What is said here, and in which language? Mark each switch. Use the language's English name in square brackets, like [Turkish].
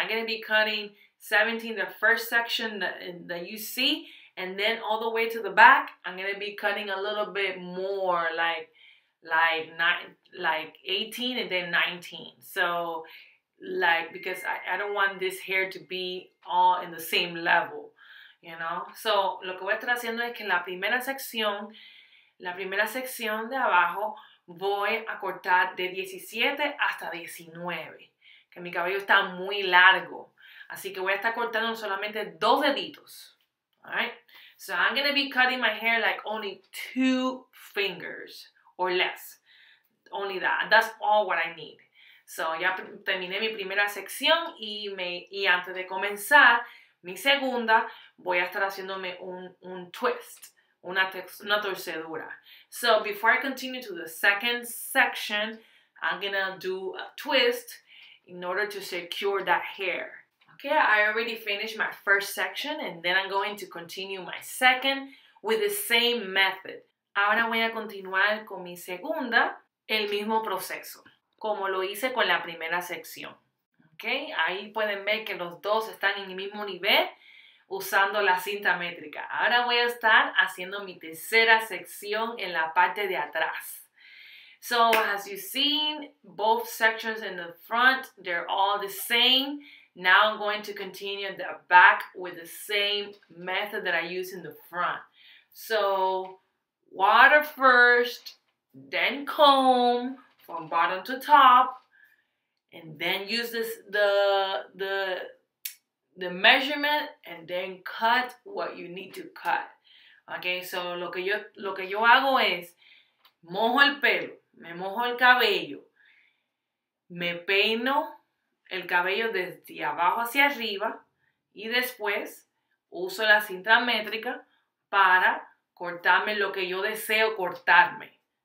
[English] I'm going to be cutting 17, the first section that you see. And then all the way to the back, I'm going to be cutting a little bit more, like 18 and then 19. So, like, because I don't want this hair to be all in the same level, you know? [Spanish] So, lo que voy a estar haciendo es que en la primera sección de abajo, voy a cortar de 17 hasta 19. Que mi cabello está muy largo. Así que voy a estar cortando solamente dos deditos. [English] Alright, so I'm going to be cutting my hair like only two fingers or less. Only that. That's all what I need. [Spanish] So, ya terminé mi primera sección y antes de comenzar mi segunda, voy a estar haciéndome un twist, una torcedura. [English] So, before I continue to the second section, I'm going to do a twist in order to secure that hair. Okay, I already finished my first section and then I'm going to continue my second with the same method. [Spanish] Ahora voy a continuar con mi segunda, el mismo proceso, como lo hice con la primera sección. Okay, ahí pueden ver que los dos están en el mismo nivel usando la cinta métrica. Ahora voy a estar haciendo mi tercera sección en la parte de atrás. [English] So, as you've seen, both sections in the front, they're all the same. Now I'm going to continue the back with the same method that I use in the front. So, water first, then comb from bottom to top, and then use the measurement, and then cut what you need to cut. [Spanish] Okay, so lo que yo hago es mojo el pelo, me mojo el cabello, me peino el cabello desde abajo hacia arriba y después uso la cinta métrica para cortarme lo que yo deseo cortarme.